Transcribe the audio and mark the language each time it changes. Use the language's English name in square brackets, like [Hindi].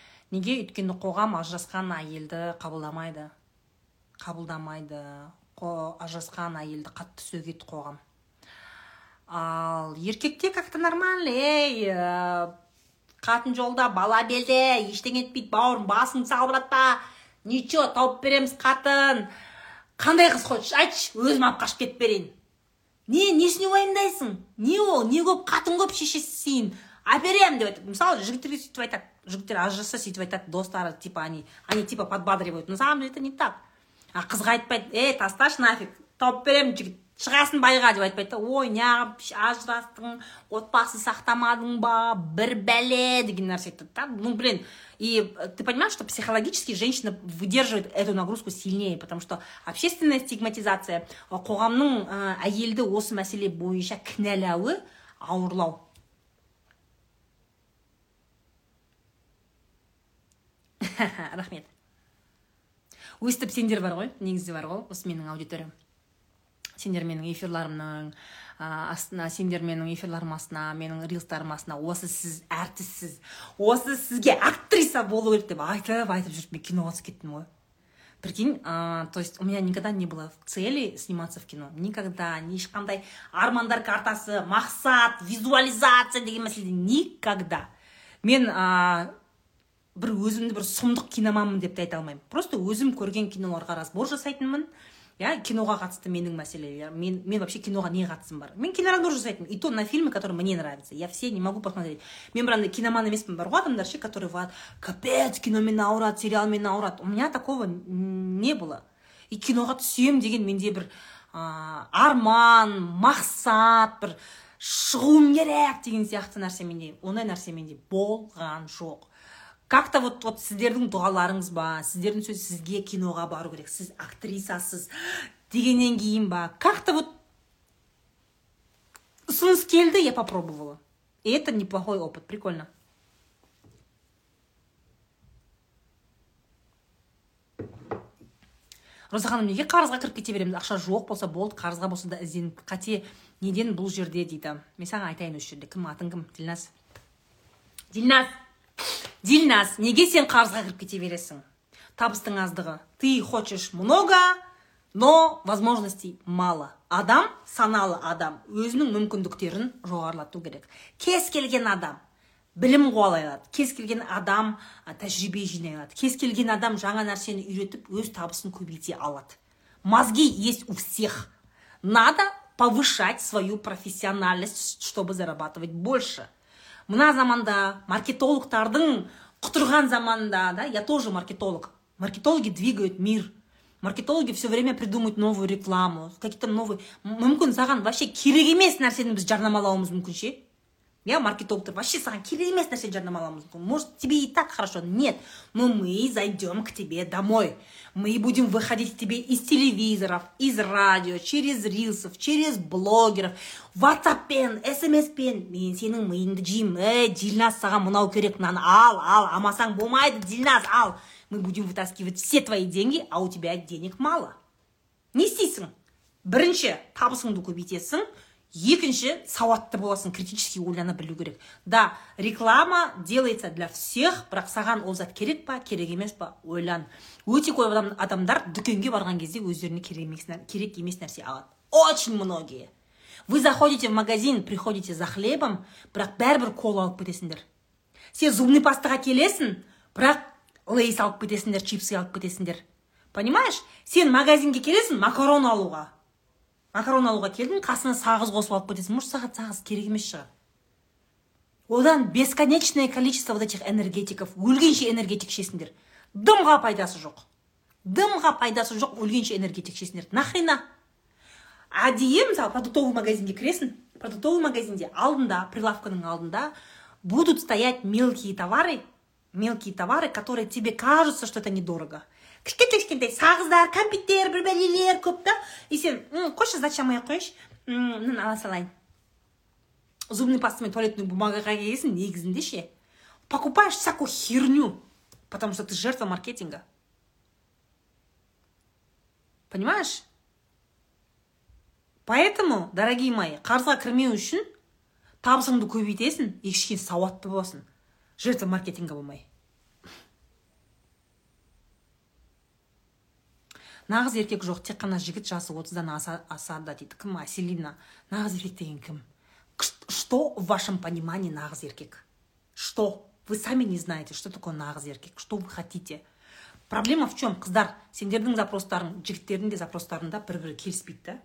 [Kazakh] Неге өткен қоғам ажрасқан айелді қабылдамайды. Қабылдамайды. Ажрасқан айелді қатты сөгет қоғам. Ал еркекте [Russian] как-то нормально. [Kazakh] Қатын жолда, бала белде, ештең етпейді, бауырын басын салбыратпа. [Russian] Ничего, [Kazakh] тауып береміз қатын. Қандай қыз қойш, айтш, өзім ап қашып кетіп берейін. Не, несіне уайымдайсың? Не ол, не көп, қатын көп шешесі сейін. Аберем, деп айтады. Мысалы, жігіттерге сөйтіп айтады. Жігіттер ажырасса сөйтіп айтады, достары, [Russian] типа, они типа подбадривают. Но самом деле это не так. [Kazakh] А қызға айтпайды, эй, тасташ [Russian] нафиг, [Kazakh] тауып беремін жігіт. Шығасын байға деп айтпайды. Ой, неғып ажырастың, отбасын сақтамадың ба, бір бәле деген нәрсе айтады. [Russian] Ну, блин, и ты понимаешь, что психологически женщина выдерживает эту нагрузку сильнее, потому что общественная стигматизация, [Kazakh] қоғамның әйелді осы мәселе бойынша кінәлауы ауырлау. Рахмет. Өстіп сендер бар ғой, негізде бар ғой, осы менің аудиториям. Сендер менің эфирларымның астына, сендер менің эфирларым астына, менің рилстарым астына, осы сіз әртіссіз, осы сізге актриса болу керек деп айтып жүріп, мен киноға түсіп кеттім ғой. [Russian] Прикинь, то есть у меня никогда не было цели сниматься в кино. Никогда, [Kazakh] ешқандай армандар картасы, мақсат, визуализация деген мәселе, [Russian] никогда. [Kazakh] Мен бір өзімді бір сұмдық киноманмын деп те айта алмаймын. [Russian] Просто [Kazakh] өзім көрген киноларға разбор жасайтынмын. Я киноға қатысты менің мәселелер. Мен [Russian] вообще [Kazakh] киноға не қатысым бар? Мен киноразбор жасайтын. [Russian] И то на фильмы, которые мне нравятся. Я все не могу посмотреть. [Kazakh] Мен бірақ киноман емеспін бар ғой адамдарше, [Russian] которые ват, капец, [Kazakh] киномен ауырат, сериалмен ауырат. [Russian] У меня такого не было. [Kazakh] И киноға түсем деген менде бір арман, мақсат, бір шығуым керек деген сияқты нәрсе менде. Ондай нәрсе менде болған жоқ. [Russian] Как-то вот [Kazakh] сіздердің дұғаларыңыз ба, сіздердің сөз сізге киноға бару керек, сіз актрисасыз дегеннен кейін ба, [Russian] как-то вот [Kazakh] ұсыныс келді, [Russian] я попробовала. И это неплохой опыт, прикольно. [Kazakh] Роза ханым, неге қарызға кіріп кете береміз? Ақша жоқ болса болды, қарызға болса да ізден. Қате неден бұл жерде дейді? Мен саған айтайын осы жерде. Кім атың кім? Дильнас. Дильнас. Дильнас, неге сен қарызға кіріп кете бересің? Табыстың аздығы. [Russian] Ты хочешь много, но возможностей мало. [Kazakh] Адам, саналы адам, өзінің мүмкіндіктерін жоғарлату керек. Кез келген адам білім қуалай алады. Кез келген адам тәжірибе жинай алады. Кез келген адам жаңа нәрсені үйретіп, өз табысын көбейте алады. [Russian] Мозги есть у всех. Надо повышать свою профессиональность, чтобы зарабатывать больше. [Kazakh] Мына заманда маркетологтардың құтырған заманда, [Russian] да, я тоже маркетолог. Маркетологи двигают мир. Маркетологи все время придумывают новую рекламу, какие-то новые. [Kazakh] Мүмкін саған [Russian] вообще [Kazakh] керек емес нәрсені біз жарнамалауымыз мүмкін ше? Я маркетологтар [Russian] вообще [Kazakh] саған керек емес нәрсені жарнамалауымыз мүмкін. [Russian] Может, тебе и так хорошо? Нет. Но мы зайдем к тебе домой. Мы будем выходить к тебе из телевизоров, из радио, через рилсов, через блогеров, ватсаппен, смспен. [Kazakh] Мен сенің миыңды жейм. Дильнас, саған мынау керек, мынаны ал, ал. Амасаң болмайды, Дильнас, ал. [Russian] Мы будем вытаскивать все твои деньги, а у тебя денег мало. [Kazakh] Не істейсің? Бірінші, табысыңды көбейтесің. Екінші, сауатты боласың, [Russian] критически [Kazakh] ойлана білу керек. [Russian] Да, реклама делается для всех, [Kazakh] бірақ саған ол зат керек па, керек емес па, ойлан. Өте көп адамдар дүкенге барған кезде өздеріне керек емес нәрсе алады. [Russian] Очень многие. Вы заходите в магазин, приходите за хлебом, [Kazakh] бірақ бәрібір кола алып кетесіңдер. Сен [Russian] зубный [Kazakh] пастаға келесің, бірақ Лейс алып кетесіңдер, [Russian] чипсы [Kazakh] алып кетесіңдер. [Russian] Понимаешь? [Kazakh] Сен магазинге келесің макарон алуға. Макарон алуға келдің, қасына сағыз қосып алып кетесің. [Russian] Может, [Kazakh] саған сағыз керек емес шығар. [Russian] Одан бесконечное количество вот этих энергетиков, [Kazakh] өлгенше энергетик ішесіңдер. Дымға пайдасы жоқ. Дымға пайдасы жоқ, өлгенше энергетик ішесіңдер. [Russian] Нахрена? [Kazakh] Әдейі, мысалы, продуктовый магазинге кіресің. [Russian] Продуктовый магазинде алдында, прилавканың алдында будут стоять мелкие товары, которые тебе кажутся, что это недорого. [Kazakh] Кішкентай-кішкентай сағыздар, кәмпиттер, бір-бірелер көп та. И сен, қойшы, [Russian] зачем я [Kazakh] қойшы? Мен ала салайын. Зубный паста мен [Russian] туалетную [Kazakh] бумагаға келесін, негізінде ше. [Russian] Покупаешь всякую херню, потому что ты жертва маркетинга. Понимаешь? Поэтому, дорогие мои, [Kazakh] қарызға кірмеу үшін табысыңды көбейтесің, и кішкен сауатты боласың. [Russian] Жертва маркетинга [Kazakh] болмай. Нағыз еркек жоқ, тек қана жігіт жасы 30-дан асады дейді. Кім Аселина? Нағыз еркек деген кім? [Russian] Что в вашем понимании нағыз еркек? Что? Вы сами не знаете, что такое нағыз еркек? Что вы хотите? Проблема в чем? [Kazakh] Қыздар, сендердің запростарың, жігіттердің де запростарында бір-бір келіспейді.